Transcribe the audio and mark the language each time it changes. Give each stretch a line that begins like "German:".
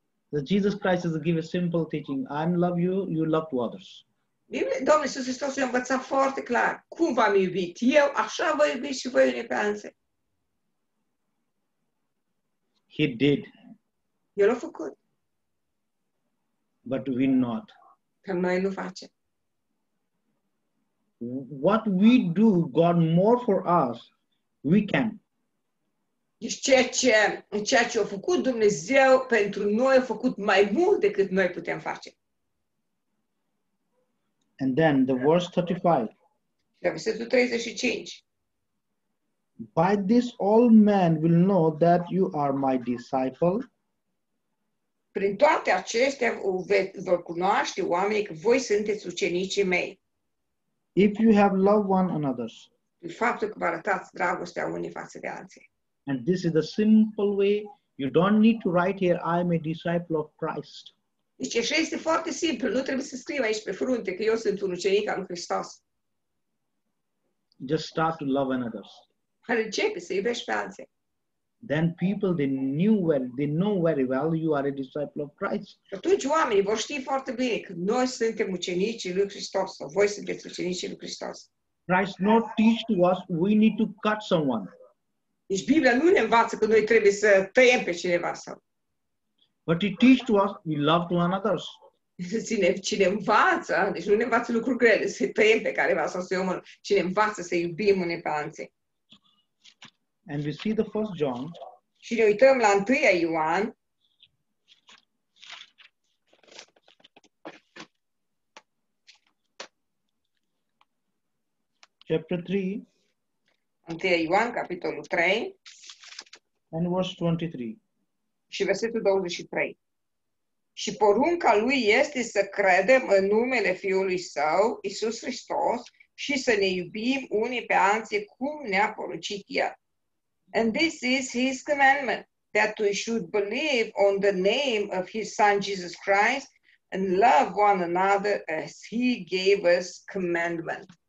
English: That Jesus Christ has given a simple teaching. I love you, you love to others.
Romanian: Domnul Iisus Hristos i-a învățat foarte clar. Cum v-am iubit eu, așa vă iubiți și voi unii pe alții.
English: He did.
Romanian: El a făcut.
English: But we not.
Romanian: Că noi nu facem.
English: What we do, God more for us, we can.
Romanian: Deci ceea ce a făcut Dumnezeu pentru noi a făcut mai mult decât noi putem face.
English: And then the verse 35.
Romanian: Versetul 35.
English: By this all men will know that you are my disciple.
Romanian: Prin toate acestea vor cunoaște oamenii că voi sunteți ucenicii mei.
English: If you have loved one another.
Romanian: Prin faptul că vă arătați dragostea unii față de alții.
English: And this is the simple way. You don't need to write here, I am a disciple of Christ.
Romanian: Deci așa este foarte simplu. Nu trebuie să scrii aici pe frunte că eu sunt un ucenic al lui Hristos.
English: Just start to love another.
Romanian: Începe să iubești pe alții.
English: Then people, they knew well, they know very well you are a disciple of Christ.
Romanian: Atunci oamenii vor ști foarte bine că noi suntem ucenicii lui Hristos sau voi sunteți ucenicii lui Hristos.
English: Christ not teach to us, we need to cut someone.
Romanian: Deci Biblia nu ne învață că noi trebuie să tăiem pe cineva sau.
English: But it teaches to us we love to one another.
Romanian: Cine învață, deci nu ne învață lucruri grele, să tăiem pe careva sau să omorâm. Cine învață să iubim unii pe alții.
English: And we see the first John.
Romanian: Și ne uităm la 1 Ioan.
English: Chapter 3.
Romanian: 1 Ioan, capitolul 3.
English: And verse 23.
Romanian: Și versetul 23. Și porunca lui este să credem în numele Fiului Său, Iisus Hristos, și să ne iubim unii pe alții cum ne-a poruncit El.
English: And this is His commandment, that we should believe on the name of His Son, Jesus Christ, and love one another as He gave us commandment.